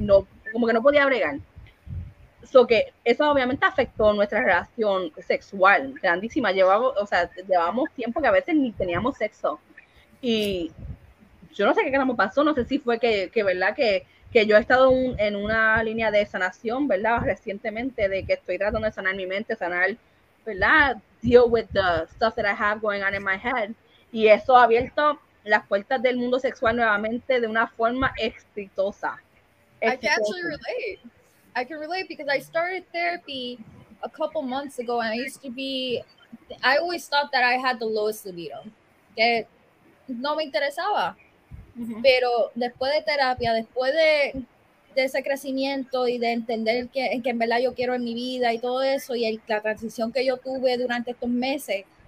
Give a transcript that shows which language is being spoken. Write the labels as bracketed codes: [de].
[es] No, como que no podía bregar. So que eso obviamente afectó nuestra relación sexual, grandísima. Llevamos tiempo que a veces ni teníamos sexo. Y yo no sé qué carajo pasó, no sé si fue que ¿verdad? Que yo he estado en una línea de sanación, ¿verdad? Recientemente, de que estoy tratando de sanar mi mente, sanar, ¿verdad? [en] Deal with the stuff that I have going on in my head. [es] Y eso ha abierto las puertas del mundo sexual nuevamente de una forma exitosa. [en] I can actually relate. I can relate because I started therapy a couple months ago, and I always thought that I had the lowest libido. [es] Que no me interesaba. Pero después de terapia, después de ese crecimiento y de entender que en verdad yo quiero en mi vida y todo eso, y la transición que yo tuve durante estos meses,